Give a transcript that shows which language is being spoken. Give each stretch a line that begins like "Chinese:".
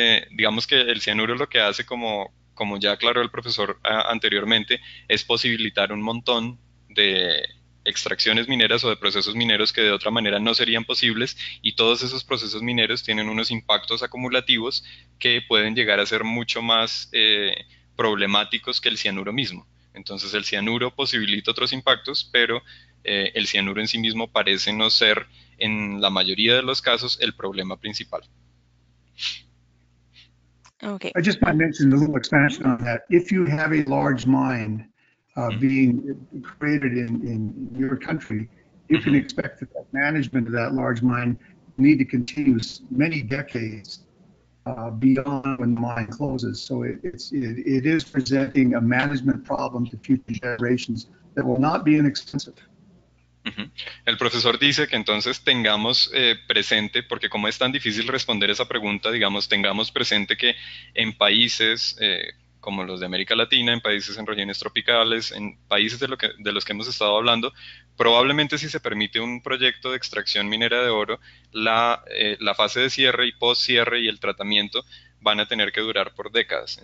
Spanish: digamos que el cianuro lo que hace, como ya aclaró el profesor anteriormente, es posibilitar un montón de extracciones mineras o de procesos mineros que de otra manera no serían posibles, y todos esos procesos mineros tienen unos impactos acumulativos que pueden llegar a ser mucho más problemáticos que el cianuro mismo. Entonces el cianuro posibilita otros impactos, pero el cianuro en sí mismo parece no ser, en la mayoría de los casos, el problema principal.
English: Okay. I just might mention a little expansion on that. If you have a large mine being created in your country, you can expect that the management of that large mine need to continue many decades beyond when the mine closes. So it is presenting a management problem to future generations that will not be inexpensive.
Spanish: El profesor dice que entonces tengamos presente, porque como es tan difícil responder esa pregunta, digamos, tengamos presente que en países como los de América Latina, en países en regiones tropicales, en países de los que hemos estado hablando, probablemente si se permite un proyecto de extracción minera de oro, la fase de cierre y post-cierre y el tratamiento van a tener que durar por décadas.